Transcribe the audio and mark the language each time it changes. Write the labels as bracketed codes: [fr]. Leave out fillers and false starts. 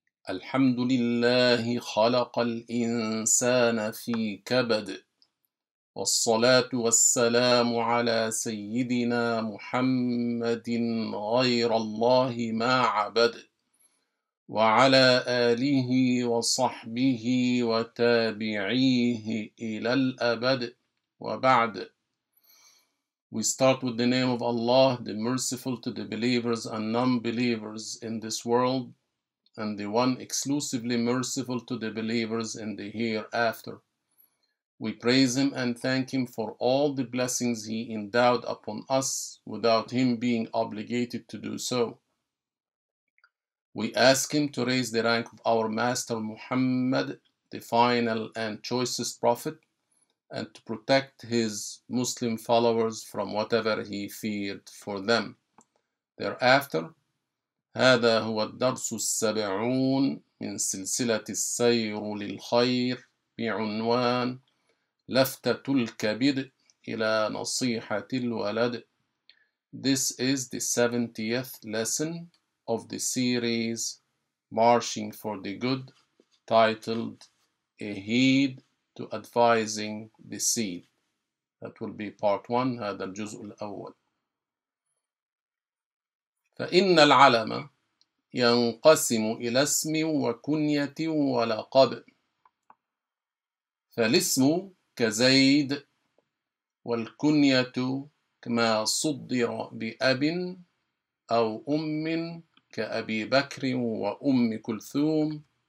[ar] الحمد لله خلق الإنسان في كبد، والصلاة والسلام على سيدنا محمد غير الله ما عبد، وعلى آله وصحبه وتابعيه إلى الأبد وبعد. [en] We start with the name of Allah, the merciful to the believers and non-believers in this world, and the one exclusively merciful to the believers in the hereafter. We praise Him and thank Him for all the blessings He endowed upon us without Him being obligated to do so. We ask Him to raise the rank of our Master Muhammad, the final and choicest Prophet, and to protect his Muslim followers from whatever he feared for them. Thereafter, [ar] هذا هو الدرس السبعون من سلسلة السير للخير بعنوان لفتة الكبد إلى نصيحة الولد. [en] This is the 70th lesson of the series Marching for the Good, titled A Heed to Advising the Seed. That will be part one, [ar] هذا الجزء الأول. فإن العلم ينقسم إلى اسم وكنية ولقب. فالاسم كزيد، والكنية كما صدر بأب أو أم كأبي بكر وأم كلثوم،